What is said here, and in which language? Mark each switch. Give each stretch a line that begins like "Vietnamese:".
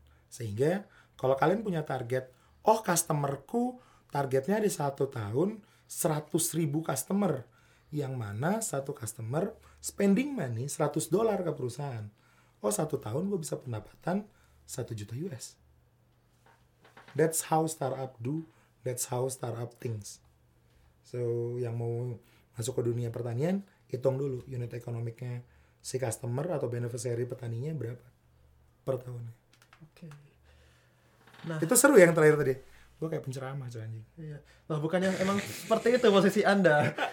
Indonesian: Sehingga kalau kalian punya target, oh customerku targetnya di 1 tahun 100 ribu customer. Yang mana satu customer
English: spending money
Indonesian: $100 ke perusahaan. Oh 1 tahun gue bisa pendapatan $1,000,000.
English: That's how startup do, that's how startup things.
Indonesian: So yang mau masuk ke dunia pertanian, hitung dulu unit ekonomiknya si customer atau beneficiary petaninya berapa per tahunnya. Oke. Nah, itu seru ya yang terakhir tadi. Gue kayak penceramah coy anjing. Iya. Lah bukannya emang seperti itu posisi Anda.